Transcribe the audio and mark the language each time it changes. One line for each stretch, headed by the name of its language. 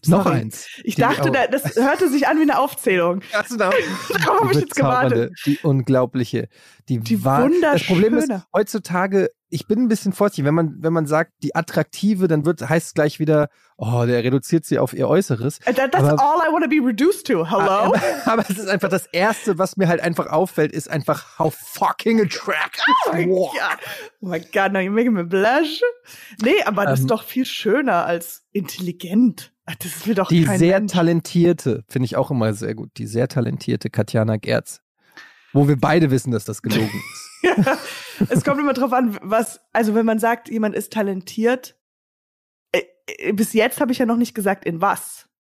German: Sorry. Noch eins. Ich dachte, das hörte sich an wie eine Aufzählung. Darauf habe ich jetzt gewartet. Die unglaubliche. Die wunderschöne. Das Problem ist, heutzutage, ich bin ein bisschen vorsichtig, wenn man sagt, die Attraktive, dann heißt es gleich wieder, oh, der reduziert sie auf ihr Äußeres.
English: That's all I want to be reduced to, hello?
German: Aber es ist einfach das Erste, was mir halt einfach auffällt, ist einfach,
English: how fucking attractive. Oh my god, now you're making me blush.
German: Nee, aber das ist doch viel schöner als intelligent. Das ist mir doch die kein sehr Mensch. Talentierte, finde ich auch immer sehr gut, die sehr talentierte Katjana Gerz. Wo wir beide wissen, dass das gelogen ist. Ja, es kommt immer drauf an, was, also wenn man sagt, jemand ist talentiert, bis jetzt habe ich ja noch nicht gesagt, in was.